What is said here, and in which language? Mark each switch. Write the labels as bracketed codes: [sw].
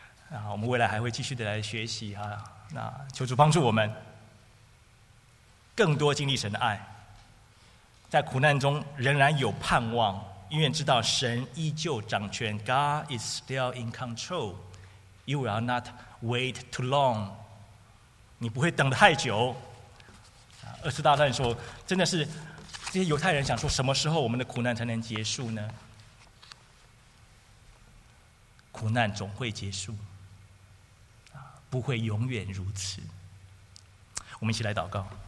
[zh] 那我们未来还会继续的来学习啊，那求主帮助我们更多经历神的爱，在苦难中仍然有盼望，因为知道神依旧掌权。 [en] God is still in control. You will not wait too long. [zh] 你不会等得太久。二次大战的时候，真的是这些犹太人想说，什么时候我们的苦难才能结束呢？苦难总会结束，不会永远如此。我们一起来祷告。